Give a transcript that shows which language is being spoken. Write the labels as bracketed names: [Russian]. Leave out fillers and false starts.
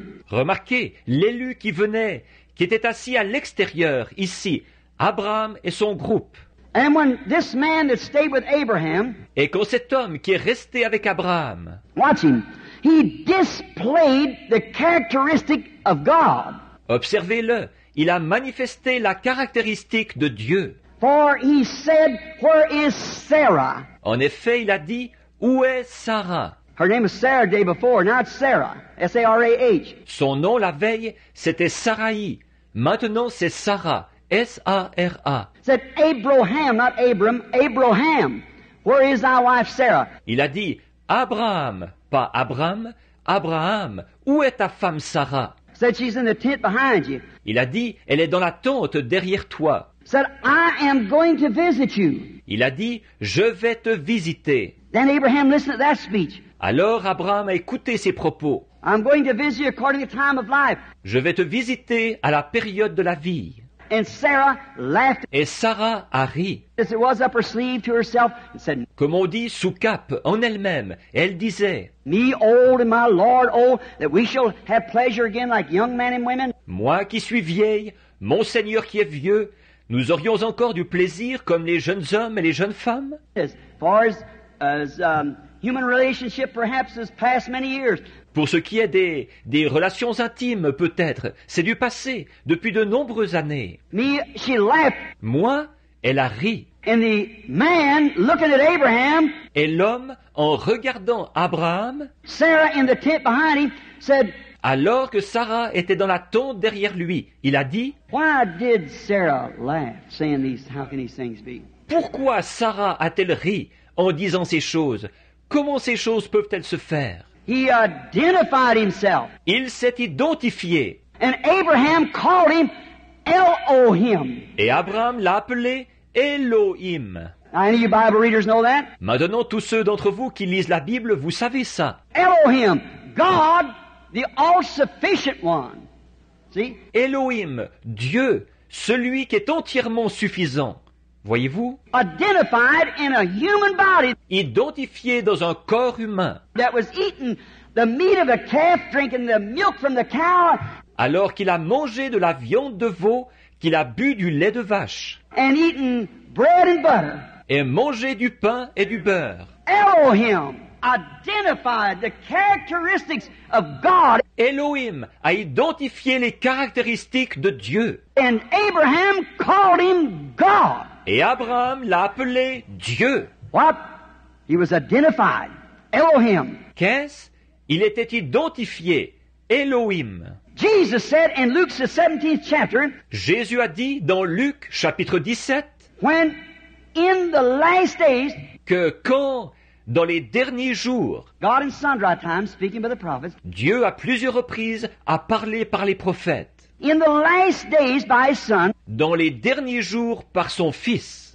[French] Remarquez, l'élu qui venait, qui était assis à l'extérieur, ici, Abraham et son groupe. [English] And when this man that stayed with Abraham, [French] et quand cet homme qui est resté avec Abraham, [English] watch him, he displayed the characteristic of God. [French] Observez-le, il a manifesté la caractéristique de Dieu. [English] For he said, "Where is Sarah?" [French] En effet, il a dit, où est Sarah? [English] Her name was Sarah day before, now it's Sarah. S-A-R-A-H. [French] Son nom la veille, c'était Sarai. Maintenant, c'est Sarah. S-A-R-A. [English] Said Abraham, not Abram. Abraham. Where is thy wife Sarah? [French] Il a dit Abraham, pas Abram. Abraham, où est ta femme Sarah? [English] Said she's in the tent behind you. [French] Il a dit, elle est dans la tente derrière toi. [English] Said I am going to visit you. [French] Il a dit, je vais te visiter. [English] Then Abraham listened to that speech. [French] Alors Abraham a écouté ses propos. [English] I'm going to visit you according to the time of life. [French] Je vais te visiter à la période de la vie. [English] And Sarah laughed. [French] Et Sarah a ri. [English] As it was up her sleeve to herself, and said, [French] comme on dit, sous cap, en elle-même. Elle disait, [English] me old and my Lord old, that we shall have pleasure again like young men and women. [French] Moi qui suis vieille, mon Seigneur qui est vieux, nous aurions encore du plaisir comme les jeunes hommes et les jeunes femmes. [English] As far as human relationship perhaps has passed many years. [French] Pour ce qui est des relations intimes, peut-être, c'est du passé, depuis de nombreuses années. [English] Me, she laughed. [French] Moi, elle a ri. [English] And the man looking at Abraham, [French] et l'homme, en regardant Abraham, [English] Sarah in the tent behind him, said, [French] alors que Sarah était dans la tente derrière lui, il a dit, [English] why did Sarah laugh, saying these, how can these things be? [French] Pourquoi Sarah a-t-elle ri en disant ces choses? Comment ces choses peuvent-elles se faire? [English] He identified himself. [French] Il s'est identifié. [English] And Abraham called him Elohim. [French] Et Abraham l'a appelé Elohim. [English] Now, any of you Bible readers know that? [French] Maintenant, tous ceux d'entre vous qui lisent la Bible, vous savez ça. [English] Elohim, God, the all-sufficient one. See? [French] Elohim, Dieu, celui qui est entièrement suffisant. Voyez-vous? [English] Identified in a human body. [French] Identifié dans un corps humain. [English] That was eating the meat of a calf, drinking the milk from the cow. [French] Alors qu'il a mangé de la viande de veau, qu'il a bu du lait de vache. [English] And eaten bread and butter. [French] Et mangé du pain et du beurre. [English] Elohim identified the characteristics of God. [French] Elohim a identifié les caractéristiques de Dieu. [English] And Abraham called him God. [French] Et Abraham l'a appelé Dieu. [English] What? He was identified. Elohim. [French] Qu'est-ce? Il était identifié. Elohim. [English] Jesus said in Luke's 17th chapter, [French] Jésus a dit dans Luc chapitre 17, [English] when in the last days, [French] que quand dans les derniers jours, [English] God in sundry times, speaking by the prophets, [French] Dieu à plusieurs reprises a parlé par les prophètes. [English] In the last days by his son. [French] Dans les derniers jours par son fils.